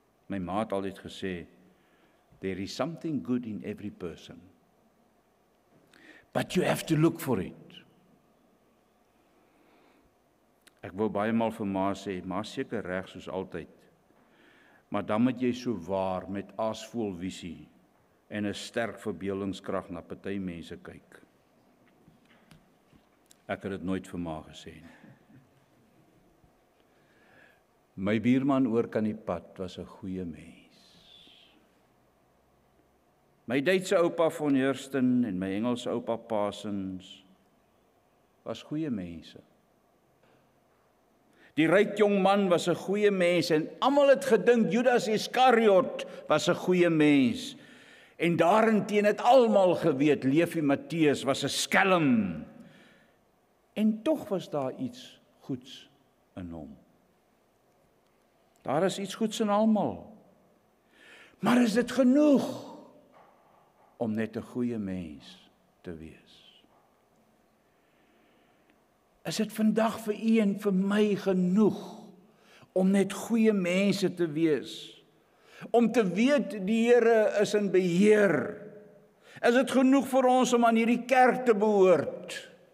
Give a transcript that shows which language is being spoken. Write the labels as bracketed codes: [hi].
[af] My ma het altyd gesê, [en] "There is something good in every person, but you have to look for it." [af] Ek wou baie maal vir ma sê, maar seker reg soos altyd. Maar dan moet jy so waar met aasvoel visie en 'n sterk verbeeldingskrag na party mense kyk. Ek het dit nooit vir ma gesê nie. My buurman oor kan die pad was 'n goeie mens. My Duitse oupa van Horsten en my Engelse oupa Pasens was goeie mense. Die ryk jong man was 'n goeie mens en almal het gedink Judas Iskariot was 'n goeie mens. En daarenteen het almal geweet Leefie Matteus was 'n skelm. En tog was daar iets goeds in hom. Daar is iets goeds in almal. Maar is dit genoeg om net 'n goeie mens te wees? Is dit vandag vir u en vir my genoeg om net goeie mense te wees? Om te weet die Here is in beheer? Is dit genoeg vir ons om aan hierdie kerk te behoort?